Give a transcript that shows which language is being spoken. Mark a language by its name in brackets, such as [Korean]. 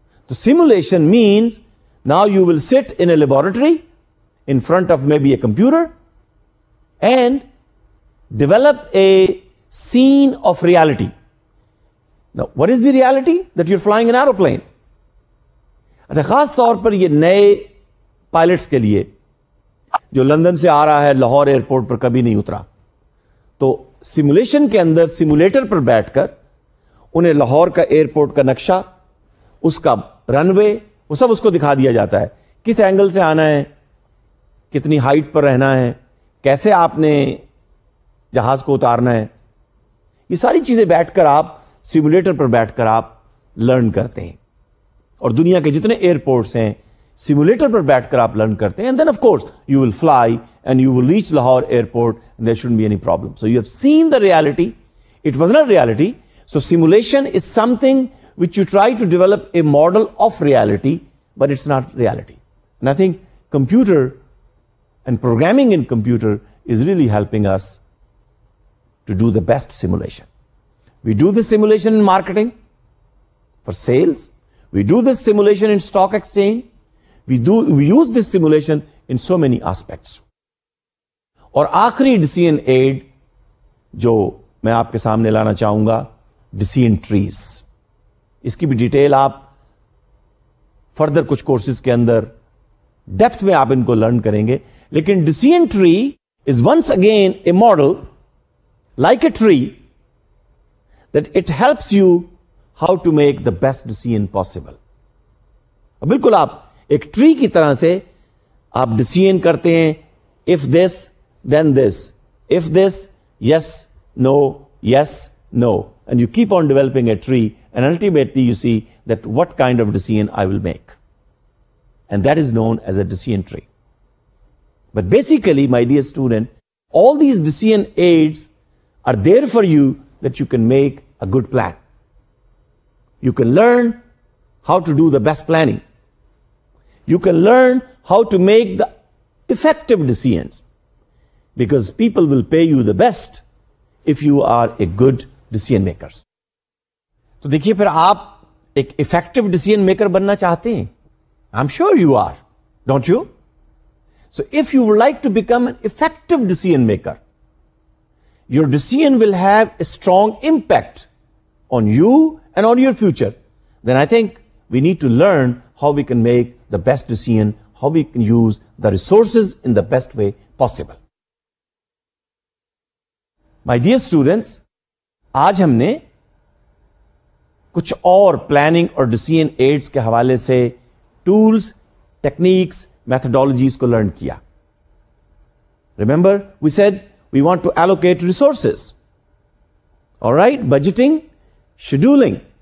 [English] The simulation means now you will sit in a laboratory in front of maybe a computer and develop a scene of reality. Now, what is the reality? That you're flying an aeroplane. [Urdu] Acha, khas taur par ye naye pilots ke liye jo London se aa raha hai, Lahore airport par kabhi nahi utra, تو simulation کے اندر simulator پر بیٹھ کر انہیں لاہور کا airport کا نقشہ, اس کا رن وے, وہ سب اس کو دکھا دیا جاتا ہے, کس اینگل سے آنا ہے, کتنی ہائٹ پر رہنا ہے, کیسے آپ نے جہاز کو اتارنا ہے. یہ ساری چیزیں بیٹھ کر آپ سیمولیٹر پر بیٹھ کر آپ لرن کرتے ہیں, اور دنیا کے جتنے ایئرپورٹس ہیں سیمولیٹر پر بیٹھ کر آپ لرن کرتے ہیں. [English] And then of course you will fly and you will reach Lahore airport and there shouldn't be any problem. So you have seen the reality. It was not reality. So simulation is something which you try to develop a model of reality, but it's not reality. And I think computer and programming in computer is really helping us to do the best simulation. We do the simulation in marketing for sales. We do this simulation in stock exchange. We use this simulation in so many aspects. [Urdu] اور آخری decision add جو میں آپ کے سامنے لانا چاہوں گا, decision trees. اس کی بھی ڈیٹیل آپ فردر کچھ کورسز کے اندر ڈیپتھ میں آپ ان کو لرن کریں گے, لیکن [English] Decision tree is once again a model like a tree that it helps you how to make the best decision possible. [Urdu] بالکل آپ ایک ٹری کی طرح سے آپ ڈیسیژن کرتے ہیں, [English] if this then this, if this, yes, no, [Urdu] yes, no. [English] And you keep on developing a tree and ultimately you see that what kind of decision I will make. And that is known as a decision tree. But basically, my dear student, all these decision aids are there for you that you can make a good plan. You can learn how to do the best planning. You can learn how to make the effective decisions, because people will pay you the best if you are a good decision maker. [Urdu] تو دیکھیے پھر آپ ایک effective decision maker بننا چاہتے ہیں. [English] I am sure you are, don't you? So if you would like to become an effective decision maker, your decision will have a strong impact on you and on your future, then I think we need to learn how we can make the best decision, how we can use the resources in the best way possible. My dear students, [Urdu] آج ہم نے کچھ اور planning اور decision AIDS کے حوالے سے tools, techniques, methodologies کو لرن کیا. [English] Remember we said we want to allocate resources, all right, budgeting, scheduling.